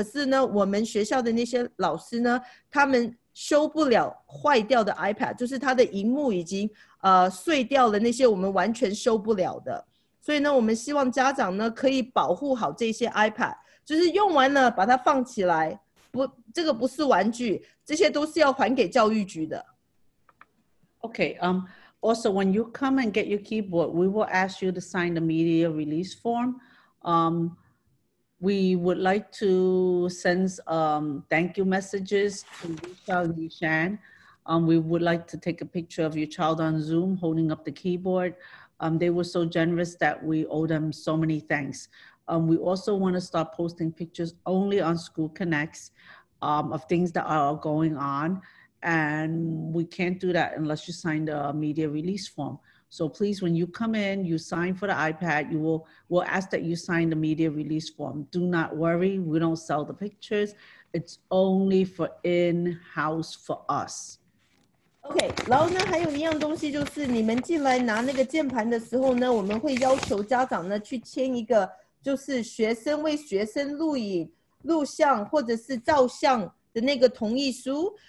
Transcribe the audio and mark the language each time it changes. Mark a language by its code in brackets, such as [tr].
[zh] 可是呢，我们学校的那些老师呢，他们修不了坏掉的 iPad， 就是他的荧幕已经碎掉了，那些我们完全修不了的。所以呢，我们希望家长呢可以保护好这些 iPad， 就是用完了把它放起来，不，这个不是玩具，这些都是要还给教育局的。 [en] Okay, Also, when you come and get your keyboard, we will ask you to sign the media release form. We would like to send thank you messages to Michelle and Yishan. We would like to take a picture of your child on Zoom holding up the keyboard. They were so generous that we owe them so many thanks. We also want to start posting pictures only on School Connects of things that are going on. And we can't do that unless you sign the media release form. So please, when you come in, you sign for the iPad, we'll ask that you sign the media release form. Do not worry, we don't sell the pictures. It's only for in-house for us. [zh] Okay, 然后呢，还有一样东西就是你们进来拿那个键盘的时候呢，我们会要求家长呢去签一个，就是学生为学生录影、录像或者是照相的那个同意书。